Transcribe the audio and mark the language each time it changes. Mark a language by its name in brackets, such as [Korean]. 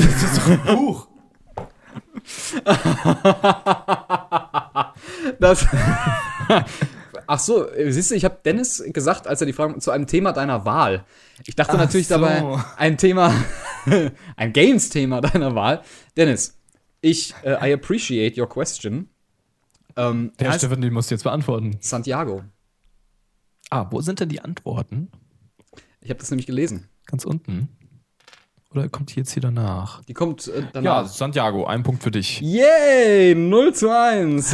[German] Das ist doch ein Buch. Das. Ach so, siehst du, ich habe Dennis gesagt, als er die Frage zu einem Thema deiner Wahl. Ich dachte ach natürlich so. Dabei, ein Thema, ein Games-Thema deiner Wahl. [English] Dennis, [German] ich, [English] I appreciate your question. [German] Der Stefan, den musst du jetzt beantworten. Santiago. Ah, wo sind denn die Antworten? Ich habe das nämlich gelesen. Ganz unten. Oder kommt die jetzt hier danach? Die kommt danach. Ja, Santiago, ein Punkt für dich. Yay, 0:1.